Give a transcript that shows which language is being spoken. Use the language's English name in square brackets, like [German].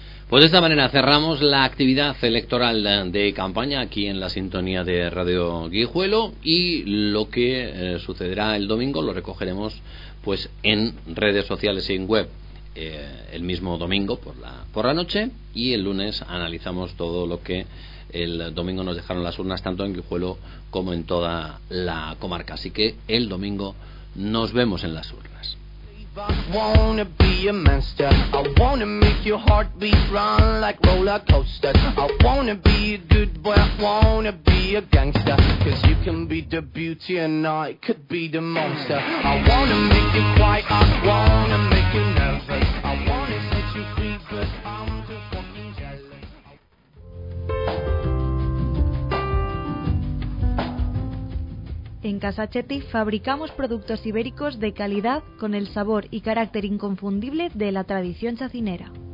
[Spanish] Pues de esta manera cerramos la actividad electoral de campaña aquí en la sintonía de Radio Guijuelo, y lo que sucederá el domingo lo recogeremos pues en redes sociales y en web el mismo domingo por la noche, y el lunes analizamos todo lo que el domingo nos dejaron las urnas, tanto en Guijuelo como en toda la comarca. Así que el domingo nos vemos en las urnas. [English] I wanna be a monster. I wanna make your heartbeat run like roller coasters. I wanna be a good boy. I wanna be a gangster. 'Cause you can be the beauty and I could be the monster. I wanna make you quiet. I wanna make you nervous. I wanna set you free, 'cause I'm the fucking jealous. [Spanish] En Casa Chepi fabricamos productos ibéricos de calidad con el sabor y carácter inconfundible de la tradición chacinera.